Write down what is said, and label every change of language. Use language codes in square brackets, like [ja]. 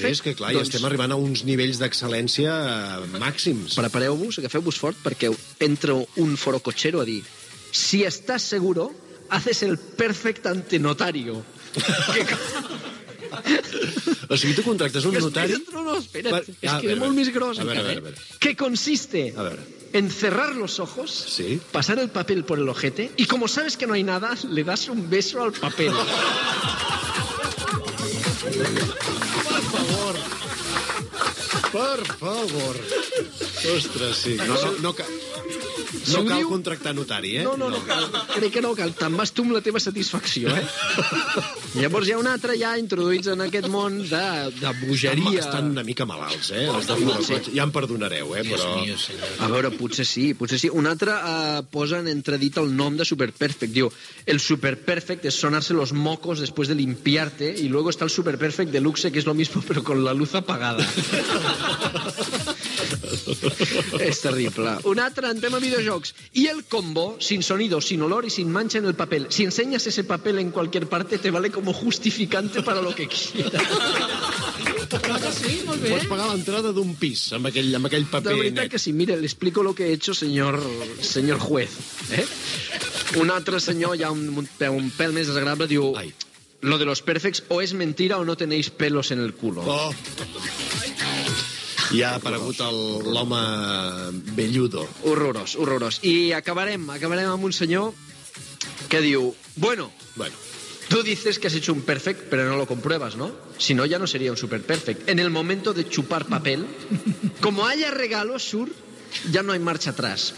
[ca] No sé, és que clar, doncs... ja estem arribant a uns nivells d'excel·lència màxims. Prepareu-vos, agafeu-vos fort, perquè entra un forocotxero a dir si estàs seguro, [es] haces el perfect antenotario. [ca] O sigui, tu contractes un notari... Espera, és que és molt més gros. A veure. [es] Que consiste... [ca] A veure. [es] En cerrar los ojos, pasar el papel por el ojete y como sabes que no hay nada, le das un beso al papel. Por favor. [ca] Ostres, sí. No cal contractar notari, eh? No cal. Crec que no cal. Te'n vas tu amb la teva satisfacció, eh? Llavors hi ha un altre ja introduïts en aquest món de bogeria. Estan una mica malalts, eh? Els de Foracotxe. Ja em perdonareu, eh? Però... A veure, potser sí. Un altre posa en entredit el nom de Superperfect. Diu, el Superperfect és sonar-se [es] los mocos [ca] després de limpiar-te i [es] luego [ca] està el Superperfect Deluxe, que és [es] lo mismo, [ca] però [es] con la luz apagada. [ca] És terrible. Un altre, entrem a videojocs. [es] I el combo, sin sonido, sin olor y sin mancha en el papel. Si enseñas ese papel en cualquier parte, te vale como justificante para lo que quieras. [ca] Sí, molt bé. Pots pagar l'entrada d'un pis amb aquell paper. De veritat que sí. [es] Mira, le explico lo que he hecho, señor juez. [ca] Un altre senyor, ja un pèl més desagradable, diu... Ai. [es] Lo de los perfects o es mentira o no tenéis pelos en el culo. [ca] Oh. Ja ha aparegut l'home velludo. Horrorós. I acabarem amb un senyor que diu... [es] Bueno, tú dices que has hecho un perfect, pero no lo compruebas, ¿no? Si no, ya no sería un superperfect. En el momento de chupar papel, como haya regalo, Sur, ya no hay marcha atrás.